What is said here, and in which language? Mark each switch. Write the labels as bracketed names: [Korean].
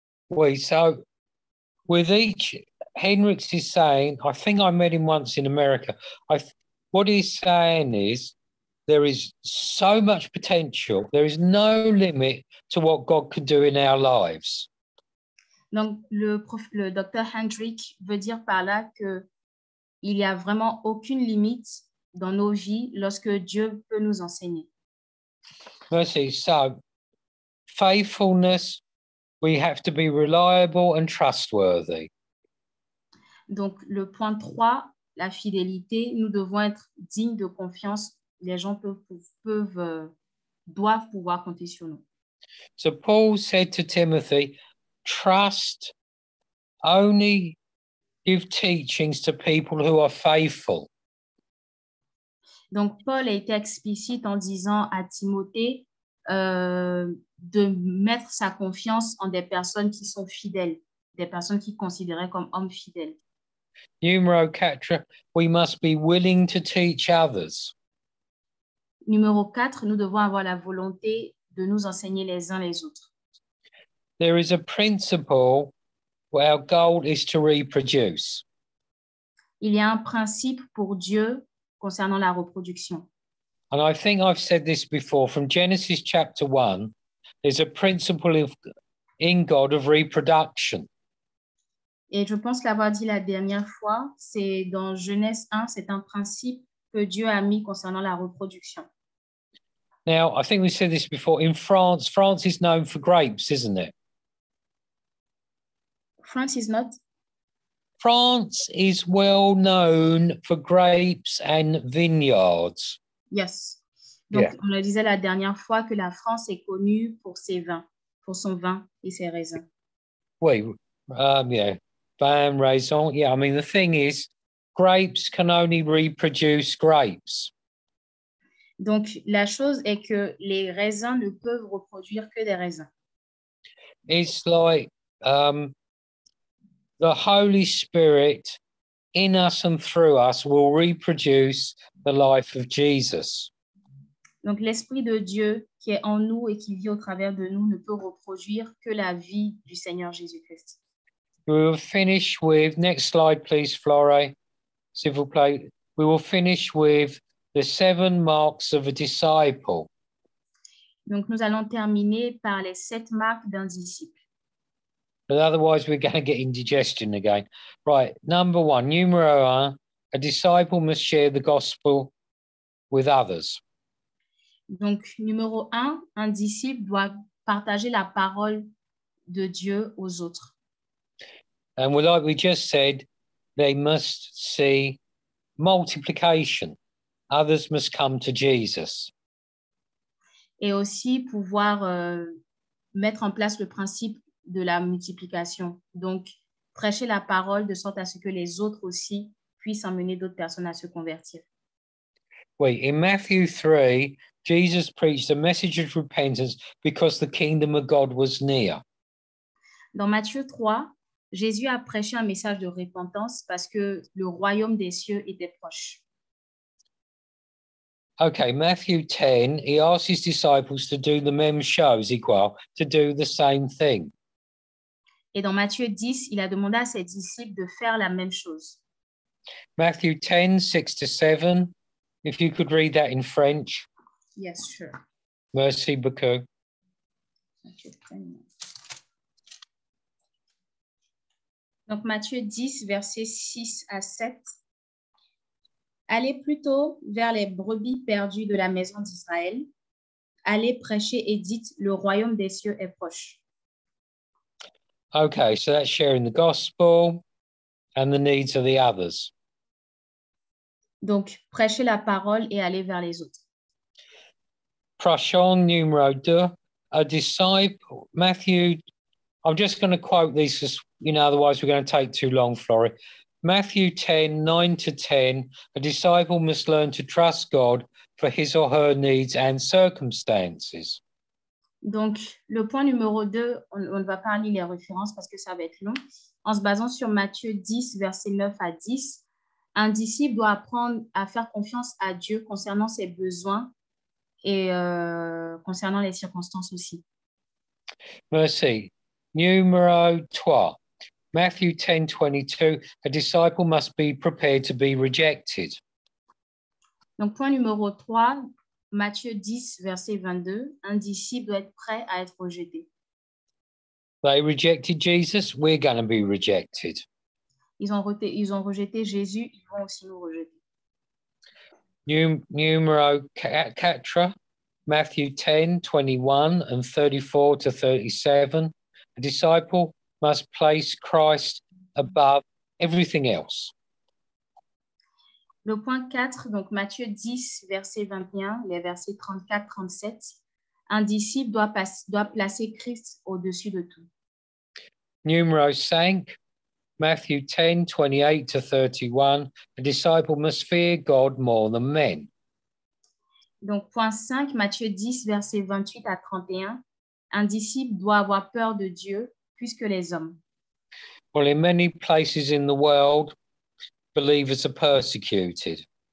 [English] Oui, so with each, Hendrix is saying, I think I met him once in America. What he's saying is, there is so much potential, there is no limit to what God can do in our lives. [French] Donc, le docteur Hendrick veut dire par là qu'il n'y a vraiment aucune limite dans nos vies lorsque Dieu peut nous enseigner. Merci. [English] So, faithfulness, we have to be reliable and trustworthy. [French] Donc, le point 3, la fidélité, nous devons être dignes de confiance. Les gens doivent pouvoir compter sur nous. [English] So Paul said to Timothy, trust, only give teachings to people who are faithful. [French] Donc Paul a été explicite en disant à Timothée de mettre sa confiance en des personnes qui sont fidèles, des personnes qu'il considérait comme hommes fidèles. [English] Numero 4, we must be willing to teach others. [French] Numéro 4, nous devons avoir la volonté de nous enseigner les uns les autres. [English] There is a principle where our goal is to reproduce. [French] Il y a un principe pour Dieu concernant la reproduction. [English] And I think I've said this before, from Genesis chapter 1, there's a principle in God of reproduction. [French] Et je pense l'avoir dit la dernière fois, c'est dans Genèse 1, c'est un principe que Dieu a mis concernant la reproduction. [English] Now, I think we said this before, in France, France is known for grapes, isn't it? France is not. France is well known for grapes and vineyards. Yes. [French] Donc, yeah. On le disait la dernière fois que la France est connue pour ses vins, pour son vin et ses raisins. Oui, [English] yeah. [French] Vin, raisin. [English] Yeah, I mean, the thing is, grapes can only reproduce grapes. [French] Donc, la chose est que les raisins ne peuvent reproduire que des raisins. [English] It's like the Holy Spirit in us and through us will reproduce the life of Jesus. [French] Donc, l'Esprit de Dieu qui est en nous et qui vit au travers de nous ne peut reproduire que la vie du Seigneur Jésus-Christ. [English] We will finish with, next slide please, Flore, [French] s'il vous plaît. [English] We will finish with the 7 marks of a disciple. [French] Donc nous allons terminer par les 7 marques d'un disciple. [English] But otherwise we're going to get indigestion again. Right, number one, [French] numero un, [English] a disciple must share the gospel with others. [French] Donc numéro un disciple doit partager la parole de Dieu aux autres. [English] And like we just said, they must see multiplication. Others must come to Jesus. [French] Et aussi pouvoir mettre en place le principe de la multiplication. Donc, prêcher la parole de sorte à ce que les autres aussi puissent emmener d'autres personnes à se convertir. [English] Oui, in Matthew 3, Jesus preached a message of repentance because the kingdom of God was near. [French] Dans Matthieu 3, Jésus a prêché un message de repentance parce que le royaume des cieux était proche. [English] Okay, Matthew 10, he asked his disciples to do the [French] même chose, [English] equal, to do the same thing. [French] Et dans Matthieu 10, il a demandé à ses disciples de faire la même chose. [English] Matthew 10, 6 to 7, if you could read that in French. Yes, sure. [French] Merci beaucoup. Donc Matthieu 10, versets 6 à 7. Allez plutôt vers les brebis perdues de la maison d'Israël. Allez prêcher et dites, le royaume des cieux est proche. [English] Okay, so that's sharing the gospel and the needs of the others. [French] Donc, prêcher la parole et aller vers les autres. Prochain numéro deux, [English] a disciple, Matthew, I'm just going to quote these, you know, otherwise we're going to take too long, Florrie. Matthew 10, 9 to 10, a disciple must learn to trust God for his or her needs and circumstances. [French] Donc, le point numéro 2, on ne va pas lire les références parce que ça va être long. En se basant sur Matthieu 10, versets 9 à 10, un disciple doit apprendre à faire confiance à Dieu concernant ses besoins et concernant les circonstances aussi. Merci. [English] Numéro 3, Matthew 10, 22, a disciple must be prepared to be rejected. [French] Donc, point numéro 3, Matthieu 10, verset 22, un disciple doit être prêt à être rejeté. [English] They rejected Jesus, we're going to be rejected. [French] Ils ont rejeté Jésus, ils vont aussi nous rejeter. [English] Numéro 4, Matthew 10, 21 and 34 to 37, a disciple must place Christ above everything else. [French] Le point 4, donc Matthieu 10, verset 21, les versets 34-37, un disciple doit placer Christ au-dessus de tout. [English] Numéro 5, Matthew 10, 28-31, a disciple must fear God more than men. [French] Donc point 5, Matthieu 10, verset 28-31, un disciple doit avoir peur de Dieu plus que les hommes. [English] Well, in many places in the world, believers are persecuted.